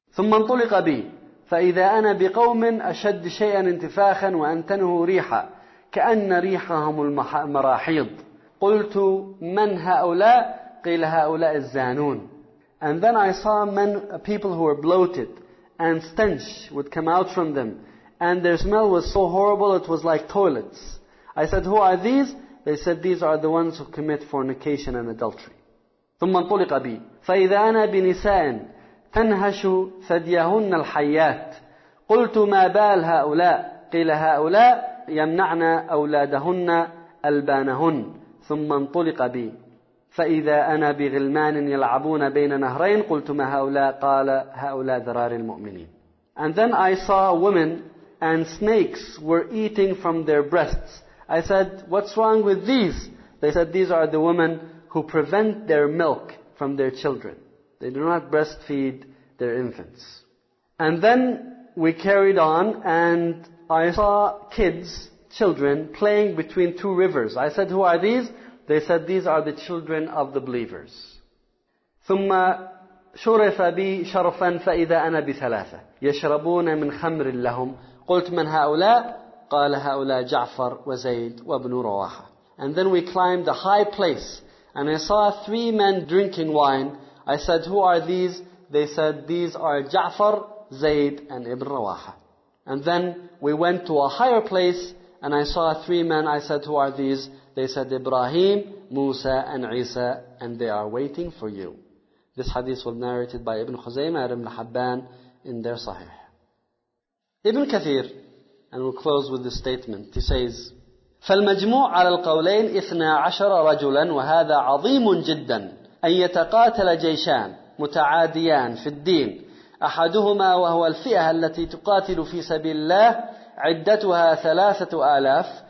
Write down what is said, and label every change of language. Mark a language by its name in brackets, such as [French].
[Arabic] ثُمَّ انْطُلِقَ بِي فَإِذَا أَنَا بِقَوْمٍ أَشَدْ شَيْئًا انْتِفَاخًا وَأَنْتَنُهُ رِيحًا كَأَنَّ رِيحَهُمُ الْمَرَاحِيضُ قُلْتُ مَنْ هَؤُلَاء قِيلَ هَؤُلَاءِ الزَّانُونَ. [English] And then I saw men, people who were bloated, and stench would come out from them, and their smell was so horrible it was like toilets. I said, who are these? They said, these are the ones who commit fornication and adultery. [Arabic] ثُمَّ انْطُلِقَ بِي فَإِذَا أَنَا بِنِسَاءٍ تنهش ثديهن الحيات قلت ما بال هؤلاء قيل هؤلاء يمنعن أولادهن ألبانهن ثم انطلق بي فإذا أنا بغلمان يلعبون بين نهرين قلت ما هؤلاء قال هؤلاء ذرار المؤمنين. [English] And then I saw women and snakes were eating from their breasts. I said, what's wrong with these? They said, these are the women who prevent their milk from their children. They do not breastfeed their infants. And then we carried on and I saw kids, children, playing between two rivers. I said, who are these? They said, these are the children of the believers. [Arabic] ثم شرف بي شرفا فإذا أنا بثلاثة يشربون من خمر لهم قلت من هؤلاء؟ قال هؤلاء جعفر وزيد وابن رواحة. [English] And then we climbed a high place and I saw three men drinking wine. I said, who are these? They said, these are جعفر, زيد and ابن رواحة. And then we went to a higher place and I saw three men. I said, who are these? They said, Ibrahim, Musa and Isa, and they are waiting for you. This hadith was narrated by Ibn Khuzaymah and Ibn Hibban in their Sahih. Ibn Kathir, and we'll close with this statement, he says, [Arabic] فَالْمَجْمُوعَ عَلَى الْقَوْلَيْنِ 12 رَجُلًا وَهَذَا عَظِيمٌ جِدًّا أَنْ يَتَقَاتَلَ جَيْشًا مُتَعَادِيًا فِي الدِّينِ أَحَدُهُمَا وَهُوَ الْفِئَةَ الَّتِي تُقَاتِلُ فِي سَبِيلِ اللَّهِ عِدَّتُهَا 3,000